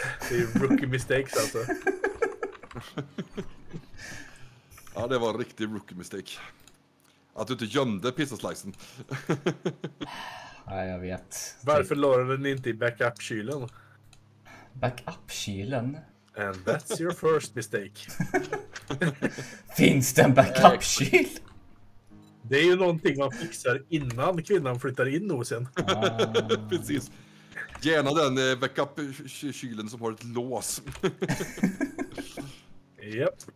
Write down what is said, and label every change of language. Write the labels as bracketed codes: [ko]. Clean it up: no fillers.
[sv] Det är rookie mistakes alltså. Ja, det var en riktig rookie mistake. Att du inte gömde pizzaslicen. Nej, ja, jag vet. Varför la du den inte i backup-kylen? Backup-kylen? [en] And that's your first mistake. [sv] Finns det en backup-kyl? Det är ju någonting man fixar innan kvinnan flyttar in hos en. Precis. Gärna den backup-kylen som har ett lås. Japp.